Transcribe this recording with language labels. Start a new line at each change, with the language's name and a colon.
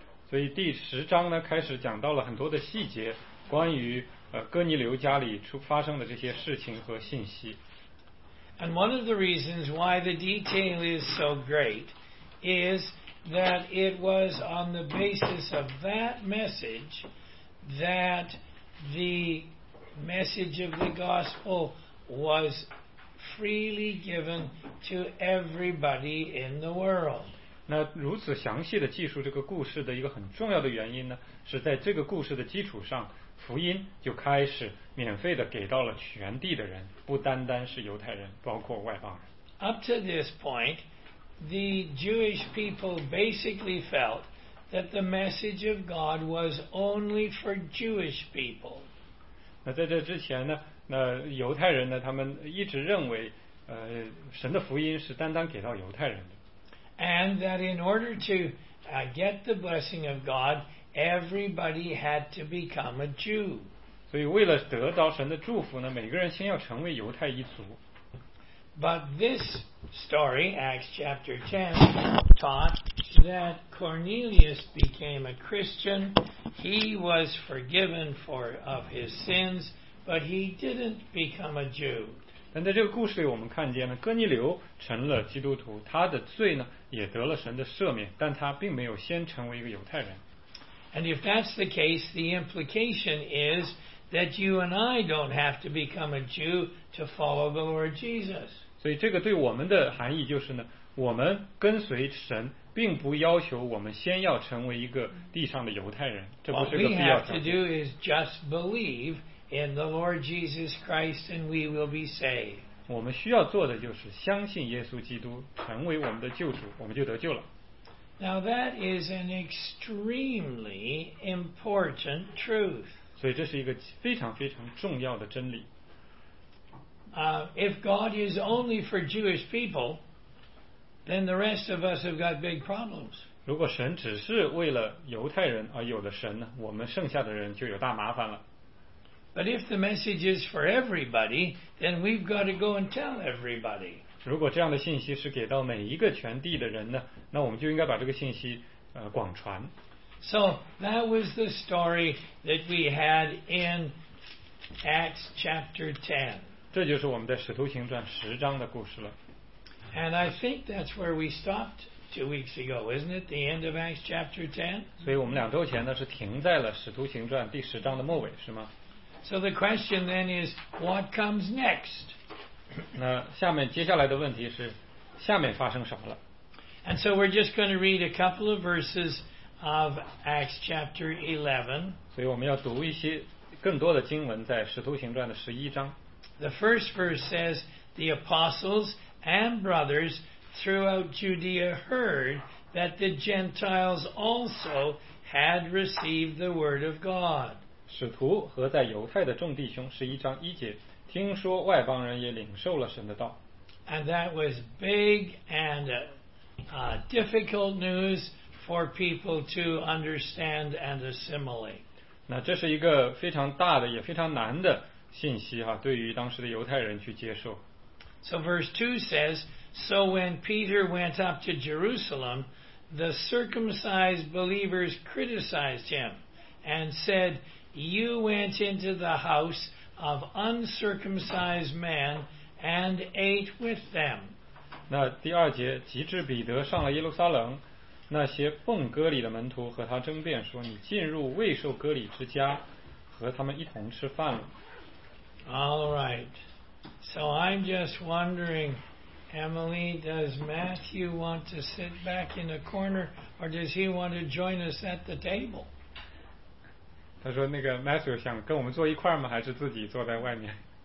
Chinese: 所以第十章呢开始讲到了很多的细节，关于哥尼流家里发生的这些事情和信息。
English: And one of the reasons why the detail is so great is. That it was on the basis of that message that the message of the gospel was freely given to everybody in the world.
Chinese: 那如此详细的记述这个故事的一个很重要的原因呢，是在这个故事的基础上，福音就开始免费的给到了全地的人，不单单是犹太人，包括外邦人。
English: Up to this point. The Jewish people basically felt that the message of God was only for Jewish people.
Chinese: 那在这之前呢，那犹太人呢，他们一直认为，神的福音是单单给到犹太人的。
English: And that in order to get the blessing of God, everybody had to become a Jew.
Chinese: 所以为了得到神的祝福呢，每个人先要成为犹太一族。
English: But this story, Acts chapter 10, taught that Cornelius became a Christian. He was forgiven of his sins, but he didn't become a Jew.
Chinese: 但在这个故事里我们看见了哥尼流成了基督徒，他的罪呢也得了神的赦免，但他并没有先成为一个犹太人。
English: And if that's the case, the implication is that you and I don't have to become a Jew to follow the Lord Jesus.
Chinese: 所以这个对我们的含义就是呢，我们跟随神并不要求我们先要成为一个地上的犹太人，这不是个必要条件。
English: What we have to do is just believe in the Lord Jesus Christ and we will be saved.
Chinese: 我们需要做的就是相信耶稣基督成为我们的救主，我们就得救了。
English: Now that is an extremely important truth.
Chinese: 所以这是一个非常非常重要的真理。
English: if God is only for Jewish people, then the rest of us have got big problems.
Chinese: 如果神只是为了犹太人而有的神呢，我们剩下的人就有大麻烦了。
English: But if the message is for everybody, then we've got to go and tell everybody.
Chinese: 如果这样的信息是给到每一个全地的人呢，那我们就应该把这个信息广传。
English: So that was the story that we had in Acts chapter 10.
Chinese: 这就是我们在《使徒行传》十章的故事了。
English: And I think that's where we stopped 2 weeks ago, isn't it? The end of Acts chapter 10.
Chinese: 所以我们两周前呢是停在了《使徒行传》第十章的末尾，是吗？
English: So the question then is, what comes next?
Chinese: 那下面接下来的问题是，下面发生什么了？
English: And so we're just going to read a couple of verses. Of Acts chapter 11.
Chinese: 所以我们要读一些更多的经文，在《使徒行传》的十一章。
English: The first verse says, "The apostles and brothers throughout Judea heard that the Gentiles also had received the word of God."
Chinese: 使徒和在犹太的众弟兄，十一章一节，听说外邦人也领受了神的道。
English: And that was big and difficult news. For people to understand and assimilate.
Chinese: 那这是一个非常大的也非常难的信息哈，对于当时的犹太人去接受。
English: So verse 2 says, So when Peter went up to Jerusalem, the circumcised believers criticized him and said, You went into the house of uncircumcised men and ate with them.
Chinese: 那第二节，即至彼得上了耶路撒冷。那些奉割礼的门徒和他争辩说：“你进入未受割礼之家，和他们一同吃饭了。”
English: All right. So I'm just wondering, Emily, does Matthew want to sit back in a corner, or does he want to join us at the table?
Chinese: 他说：“那个 Matthew 想跟我们坐一块吗？还是自己坐在外面？”